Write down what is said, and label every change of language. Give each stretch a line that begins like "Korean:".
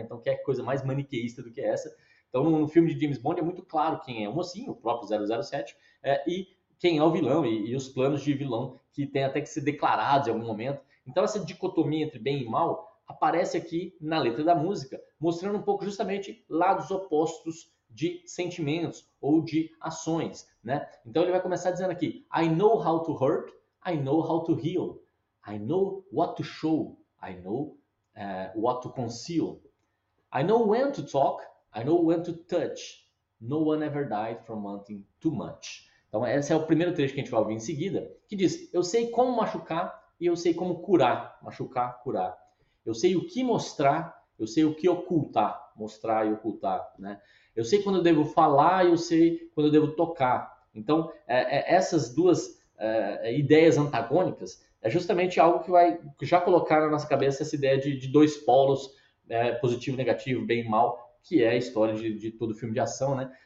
Portuguese: Então, quer coisa mais maniqueísta do que essa? Então, no filme de James Bond, é muito claro quem é o mocinho, o próprio 007, e quem é o vilão, e os planos de vilão que tem até que ser declarados em algum momento. Então, essa dicotomia entre bem e mal aparece aqui na letra da música, mostrando um pouco justamente lados opostos de sentimentos ou de ações, né? Então, ele vai começar dizendo aqui,
English: I know how to hurt, I know how to heal, I know what to show, I know what to conceal, I know when to talk, I know when to touch, no one ever died from wanting too much.
Portuguese: Então esse é o primeiro trecho que a gente vai ouvir em seguida, que diz, eu sei como machucar e eu sei como curar, machucar, curar, eu sei o que mostrar, eu sei o que ocultar, mostrar e ocultar, né? Eu sei quando eu devo falar e eu sei quando eu devo tocar. Então essas duas ideias antagônicas é justamente algo que vai já colocar na nossa cabeça essa ideia de dois polos, positivo e negativo, bem e mal, que é a história de todo filme de ação, né?